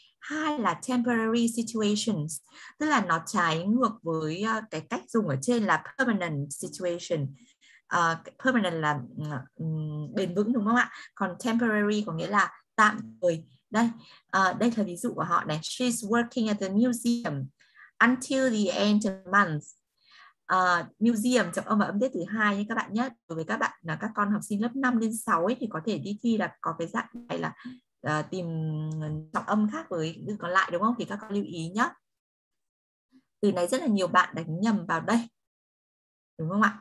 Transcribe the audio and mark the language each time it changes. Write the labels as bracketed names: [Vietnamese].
[Vietnamese] Hai là temporary situations, tức là nó trái ngược với cái cách dùng ở trên là permanent situation. Permanent là bền vững đúng không ạ? Còn temporary có nghĩa là tạm thời. Đây, đây là ví dụ của họ này. [English] She's working at the museum until the end of month. [Vietnamese] Museum trọng âm và âm tiết thứ hai nhé các bạn nhé. Đối với các bạn là các con học sinh lớp 5 đến 6 ấy, thì có thể đi thi là có cái dạng này là tìm trọng âm khác với những còn lại đúng không? Thì các con lưu ý nhé. Từ này rất là nhiều bạn đánh nhầm vào đây. Đúng không ạ?